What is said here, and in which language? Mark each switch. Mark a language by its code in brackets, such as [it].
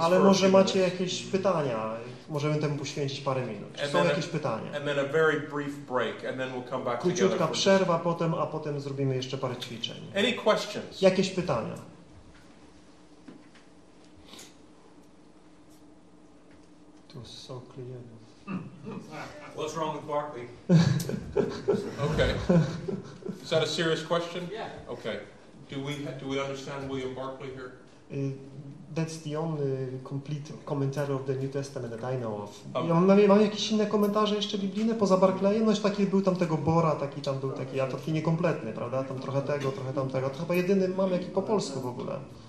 [pl] Ale może macie jakieś pytania? Możemy temu poświęcić parę minut. Czy są jakieś pytania? [en] And then a very brief break, and then we'll come back together. [pl] Króciutka przerwa, potem, a potem zrobimy jeszcze parę ćwiczeń. [en] Any questions? [pl] Jakieś pytania? [en] So clear. What's wrong with Barkley? Okay. Is that a serious question? Yeah. Okay. Do we understand William Barkley here? That's the only complete commentary of the New Testament that I know of. [pl] Mam jakieś inne komentarze jeszcze biblijne poza Barkleyem? No i taki był tam tego Bora, taki tam był taki, ja to taki niekompletny, prawda? Tam trochę tego, trochę tamtego. To chyba jedyny mam jaki po polsku w ogóle.